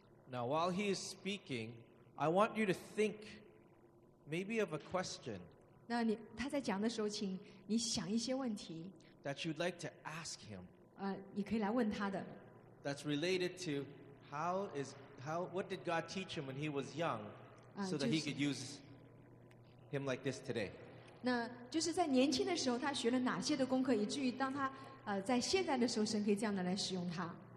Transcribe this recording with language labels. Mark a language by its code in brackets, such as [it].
[en] Now, while he is speaking, I want you to think maybe of a question [zh] 他在讲的时候，请你想一些问题 [en] that you'd like to ask him. [zh] 你可以来问他的。 [en] That's related to what did God teach him when he was young so that he could use him like this today? [zh] 那就是在年轻的时候，他学了哪些的功课，以至于当他在现在的时候，神可以这样的来使用他。